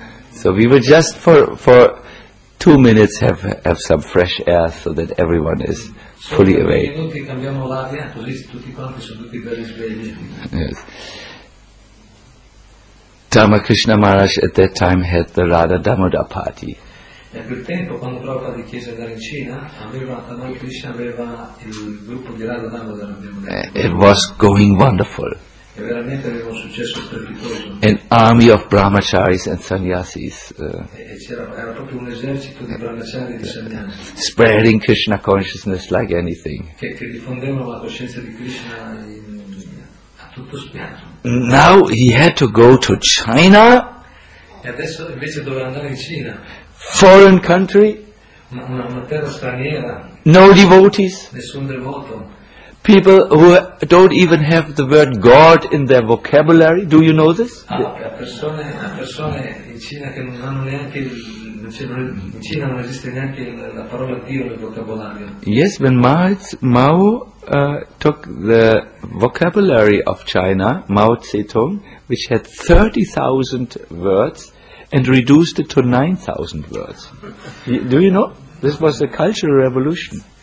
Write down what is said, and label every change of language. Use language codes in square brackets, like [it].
[en] So we will just for 2 minutes have some fresh air so that everyone is fully awake. Yes. Tamakrishna Maharaj at that time had the Radha Damodar party. [it] E a quel tempo, quando Prabhupada chiese andare in Cina, aveva Tamakrishna aveva il gruppo di Radha Damodar. [en] It was going wonderful. [it] E veramente aveva un successo strepitoso. [en] An army of brahmacharis and sannyasis. [it] Era proprio un esercito di brahmacharis e di sannyasis. [en] Spreading Krishna consciousness like anything. [it] Che diffondevano la coscienza di Krishna a tutto spiano. [en] Now he had to go to China. [it] E adesso invece doveva andare in Cina. [en] Foreign country, [it] una terra straniera. [en] No devotees, [it] nessun devoto. [en] People who don't even have the word God in their vocabulary, do you know this? [it] Persone in Cina che non hanno neanche in Cina non esiste neanche la parola Dio nel vocabolario. [en] Yes, when Mao took the vocabulary of China, Mao Zedong, which had 30,000 words, and reduced it to 9,000 words. Do you know? This was the Cultural Revolution.